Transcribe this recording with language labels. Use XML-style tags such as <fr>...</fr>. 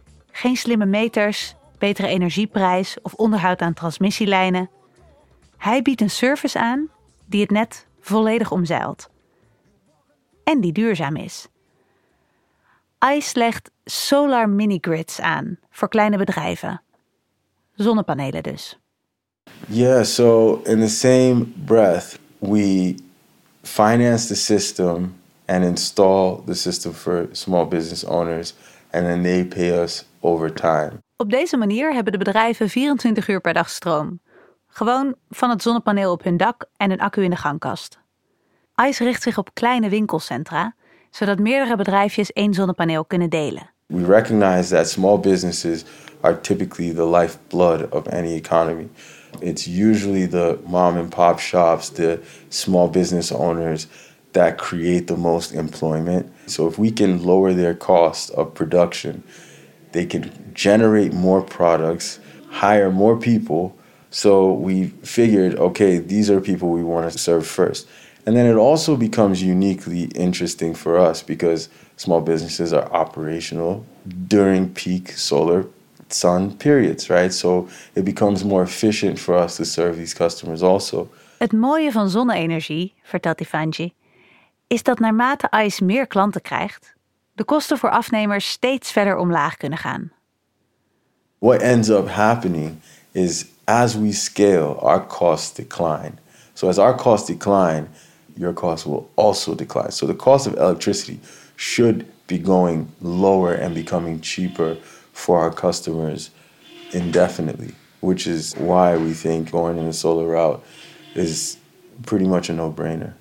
<nl>Geen slimme meters, betere energieprijs of onderhoud aan transmissielijnen. Hij biedt een service aan die het net volledig omzeilt. En die duurzaam is. ICE legt solar mini-grids aan voor kleine bedrijven. Zonnepanelen dus.</nl> <en>Yeah, so in the same breath, we finance the system and install the system for small business owners. And then they pay us over time.</en> <nl>Op deze manier hebben de bedrijven 24 uur per dag stroom. Gewoon van het zonnepaneel op hun dak en een accu in de gangkast. ICE richt zich op kleine winkelcentra, zodat meerdere bedrijfjes één zonnepaneel kunnen delen.</nl> <en>We recognize that small businesses are typically the lifeblood of any economy. It's usually the mom and pop shops, the small business owners that create the most employment. So if we can lower their cost of production, they can generate more products, hire more people. So we figured, okay, these are people we want to serve first. And then it also becomes uniquely interesting for us because small businesses are operational during peak solar sun periods, right? So it becomes more efficient for us to serve these customers also.</en> <nl>Het mooie van zonne-energie, vertelt Ifeanyi, is dat naarmate ICE meer klanten krijgt, de kosten voor afnemers steeds verder omlaag kunnen gaan.</nl> <en>What ends up happening is as we scale, our costs decline. So as our costs decline, your costs will also decline. So the cost of electricity should be going lower and becoming cheaper for our customers indefinitely, which is why we think going in a solar route is pretty much a no-brainer.</en>